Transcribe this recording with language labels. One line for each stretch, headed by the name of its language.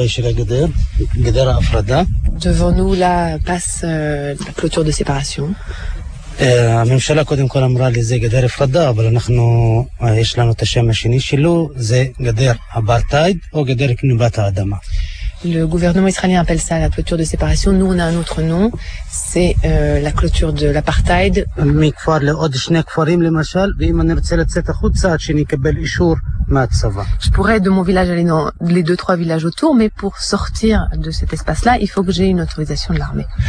French: Devant nous, là, passe la clôture de séparation.
Hebrew: הממשלה קודם כל אמרה לזה גדר הפרדה, אבל אנחנו, יש לנו את השם השני שלו, זה גדר אפרטהייד או גדר גנבת האדמה.
French: Le gouvernement israélien appelle ça la clôture de séparation. Nous, on a un autre nom. C'est la clôture de l'apartheid. Je pourrais, de mon village, aller dans les deux, trois villages autour, mais pour sortir de cet espace-là, il faut que j'aie une autorisation de l'armée.